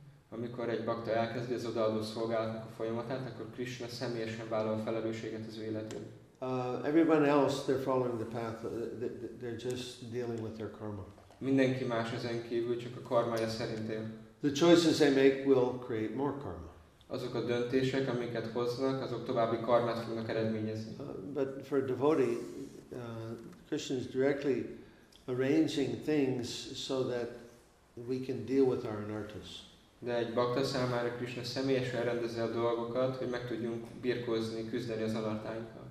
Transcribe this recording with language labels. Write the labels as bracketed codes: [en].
[hu] Amikor egy bhakta elkezdi az odaadó szolgálatnak a folyamatát, akkor Krishna személyesen vállal a felelősséget az ő életén. [en] Everyone else, they're following the path. They're just dealing with their karma. [hu] Mindenki más ezen kívül, csak a karmája szerint él. [en] The choices they make will create more karma. [hu] Azok a döntések, amiket hoznak, azok további karmát fognak eredményezni. [en] But for a devotee, Krishna is directly arranging things so that we can deal with our anarthas. [hu] De egy bhakta számára Krishna személyesen rendezi a dolgokat, hogy meg tudjunk birkózni, küzdeni az anarthainkkal.